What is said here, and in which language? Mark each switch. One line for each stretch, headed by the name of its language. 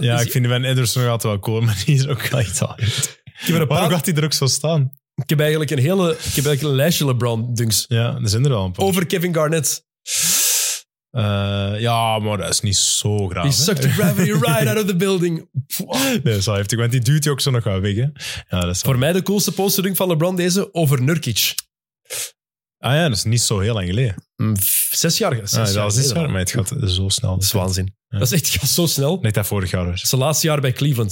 Dutch: Ja, ik vind die van Edwards nog altijd wel cooler, maar die is ook wel iets anders. Waarom gaat hij er ook zo staan? Ik heb eigenlijk een lijstje LeBron dunks. Ja, er zijn er al een paar. Over Kevin Garnett. Ja, maar dat is niet zo graag.
English: He sucked the gravity right out of the building.
Dutch: Nee, zo heeft hij, want die duwt hij ook zo nog wel weg. Hè? Ja, dat is voor mij de coolste poster dunk van LeBron deze, over Nurkic. Ah ja, dat is niet zo heel lang geleden. Zes jaar geleden. Maar het gaat zo snel. Dat is waanzin. Ja. Dat is echt, het gaat zo snel. Nee, dat vorig jaar was. Het is de laatste jaar bij Cleveland.